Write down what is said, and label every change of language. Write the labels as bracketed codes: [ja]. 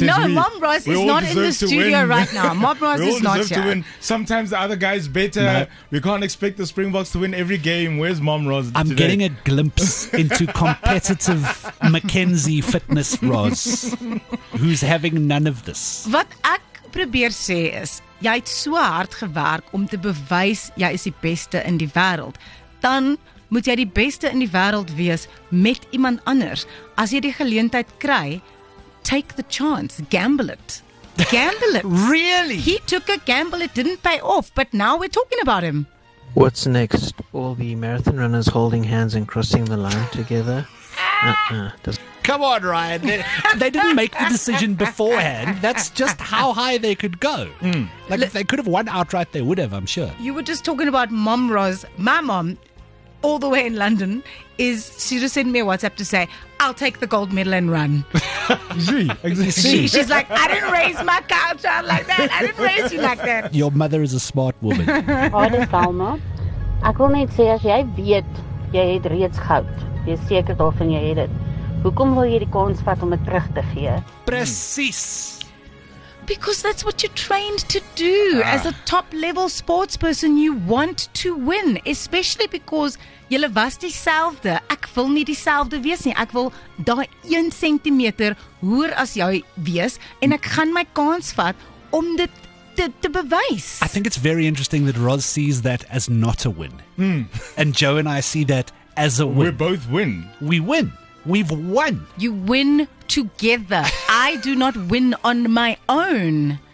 [en] No, Mom Roz is not in the studio right now. Mom Roz is not here. To win. Sometimes the other guy's better. No. We can't expect the Springboks to win every game. Where's Mom Roz today? I'm getting a glimpse into competitive McKenzie fitness Roz, who's having none of this. [af] Wat ek probeer sê is, jy het so hard gewerk om te bewys jy is die beste in die wêreld. Dan moet jy die beste in die wêreld wees met iemand anders. As jy die geleentheid kry, [en] take the chance, gamble it. Gamble it. Really? He took a gamble, it didn't pay off, but now we're talking about him. What's next? All the marathon runners holding hands and crossing the line together? Come on, Ryan. They didn't make the decision beforehand. That's just how high they could go. Mm. Like, if they could have won outright, they would have, I'm sure. You were just talking about Mom Roz. My mom, all the way in London, is she just sent me a WhatsApp to say, I'll take the gold medal and run. She's like, I didn't raise my child like that. I didn't raise you like that. Your mother is a smart woman. Hi, Salma. [af] I wil net sê, as jy weet, jy het reeds goud. Jy is seker daarvan jy het dit. Hoekom wil jy die kans vat om dit terug te gee? Precies. [en] Because that's what you're trained to do. As a top level sports person, you want to win. Especially because [af] jylle was dieselfde. Ek wil nie dieselfde wees nie. Ek wil daai 1 centimeter hoër as jy wees. En ek gaan my kans vat om dit te bewys. [en] I think it's very interesting that Roz sees that as not a win. Mm. And Joe and I see that as a win. We both win. We win. We've won. You win together. I do not win on my own.